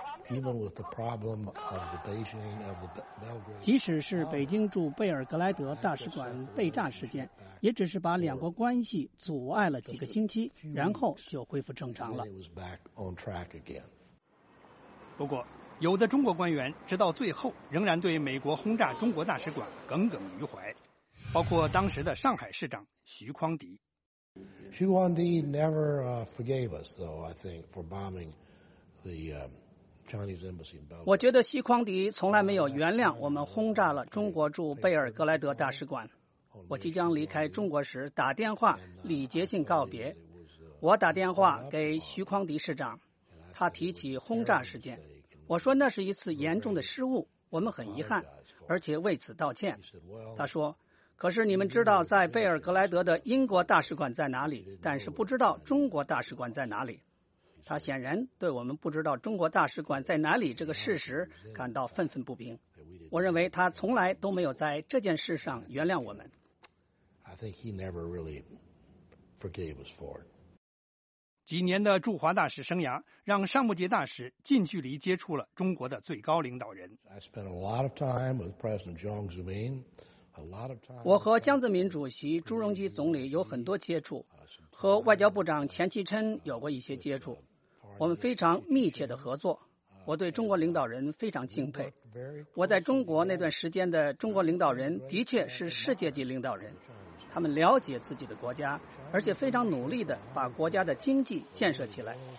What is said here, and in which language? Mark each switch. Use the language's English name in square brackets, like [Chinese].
[English] Even with the problem of the Beijing of the Belgrade, [Chinese] 即使是北京驻贝尔格莱德大使馆被炸事件，也只是把两国关系阻碍了几个星期，然后就恢复正常了。 [English] It was back on track again. [Chinese] 不过，有的中国官员直到最后仍然对美国轰炸中国大使馆耿耿于怀，包括当时的上海市长徐匡迪。 [English] 徐匡迪 never forgave us, though I think for bombing the Chinese embassy in Belgrade. [Chinese] 我觉得徐匡迪从来没有原谅我们轰炸了中国驻贝尔格莱德大使馆。我即将离开中国时，打电话礼节性告别。我打电话给徐匡迪市长，他提起轰炸事件，我说那是一次严重的失误，我们很遗憾，而且为此道歉。他说。可是你们知道在贝尔格莱德的英国大使馆在哪里，但是不知道中国大使馆在哪里。他显然对我们不知道中国大使馆在哪里这个事实感到愤愤不平。我认为他从来都没有在这件事上原谅我们。 [English] I think he never really forgave us for it. [Chinese] 几年的驻华大使生涯让尚木杰大使近距离接触了中国的最高领导人。 [English] I spent a lot of time with President Jiang Zemin. [Chinese] 我和江泽民主席、朱镕基总理有很多接触，和外交部长钱其琛有过一些接触，我们非常密切的合作。我对中国领导人非常敬佩。我在中国那段时间的中国领导人的确是世界级领导人，他们了解自己的国家，而且非常努力地把国家的经济建设起来。